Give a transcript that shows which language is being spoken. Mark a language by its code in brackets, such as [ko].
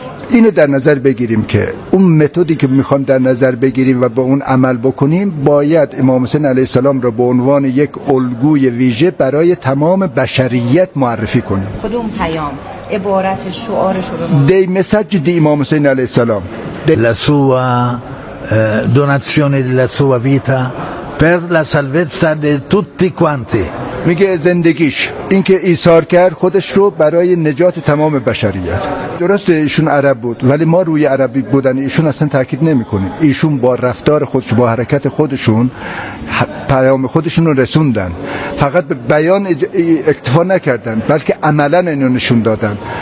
[fa] اینو در نظر بگیریم که اون متدی که میخوام در نظر بگیریم و با اون عمل بکنیم، باید امام حسین علیه السلام رو به عنوان یک الگوی ویژه برای تمام بشریت معرفی کنیم. کدوم پیام؟ عبارت شعارش رو [en] the message دی امام حسین علیه السلام، [it] la sua donazione della sua vita per la salvezza di tutti quanti. [fa] میگه زندگیش، این که ایثار کرد خودش رو برای نجات تمام بشریت. درسته ایشون عرب بود، ولی ما روی عربی بودن ایشون اصلا تاکید نمی کنیم. ایشون با رفتار خودش، با حرکت خودشون، پیام خودشون رو رسوندن. فقط به بیان اکتفا نکردن، بلکه عملا اینو نشون دادن.